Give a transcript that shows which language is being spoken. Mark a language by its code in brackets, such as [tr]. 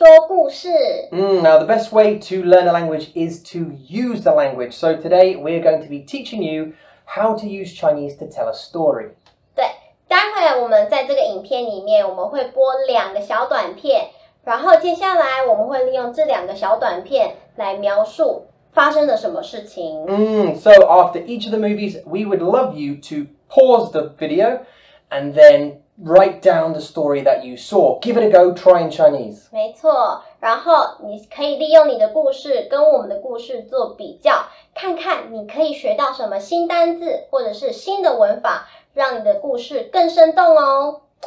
[en] Now, the best way to learn a language is to use the language. So today, we're going to be teaching you how to use Chinese to tell a story. [zh] 对，待会我们在这个影片里面，我们会播两个小短片，然后接下来我们会利用这两个小短片来描述发生了什么事情。 [en] So after each of the movies, we would love you to pause the video and then write down the story that you saw. Give it a go, try in Chinese. [zh] 没错，然后你可以利用你的故事跟我们的故事做比较，看看你可以学到什么新单字或者是新的文法，让你的故事更生动哦。